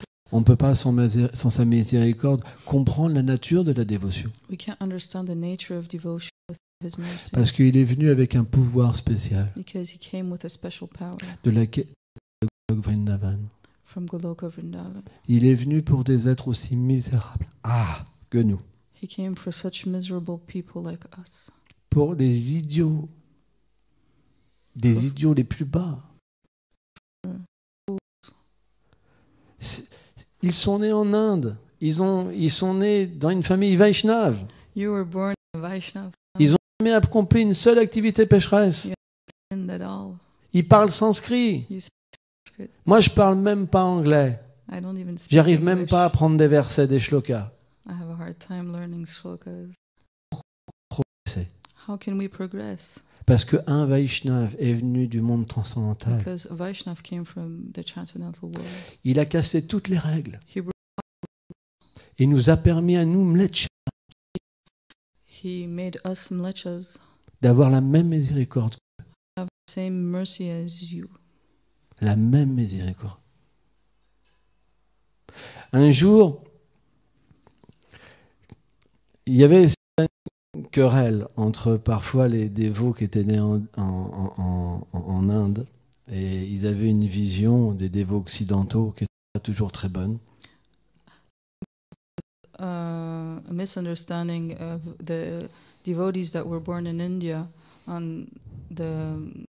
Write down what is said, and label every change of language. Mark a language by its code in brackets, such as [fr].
[fr] On ne peut pas sans sa miséricorde comprendre la nature de la dévotion. [en] We can't understand the nature of devotion. [fr] Parce qu'il est venu avec un pouvoir spécial de la Goloka Vrindavan. Il est venu pour des êtres aussi misérables que nous. [en] He came for such miserable people like us. [fr] Pour des idiots les plus bas. Ils sont nés en Inde. Ils sont nés dans une famille Vaishnav. [en] You were born in Vaishnav. [fr] Jamais accompli une seule activité pécheresse. Il parle sanskrit. Moi, je parle même pas anglais. J'arrive [en] English. [fr] Même pas à prendre des versets, des shlokas. [en] I have a hard time learning shlokas. [fr] Progresser. [en] How can we progress? [fr] Parce que un Vaishnav est venu du monde transcendantal. [en] Because a Vaishnav came from the transcendental world. [fr] Il a cassé toutes les règles. Il nous a permis à nous mlecha. [en] He made us mlechas, [fr] d'avoir la même miséricorde. [en] Have the same mercy as you. [fr] La même miséricorde. Un jour, il y avait une querelle entre parfois les dévots qui étaient nés en Inde et ils avaient une vision des dévots occidentaux qui n'était pas toujours très bonne. [en] A misunderstanding of the devotees that were born in India on the.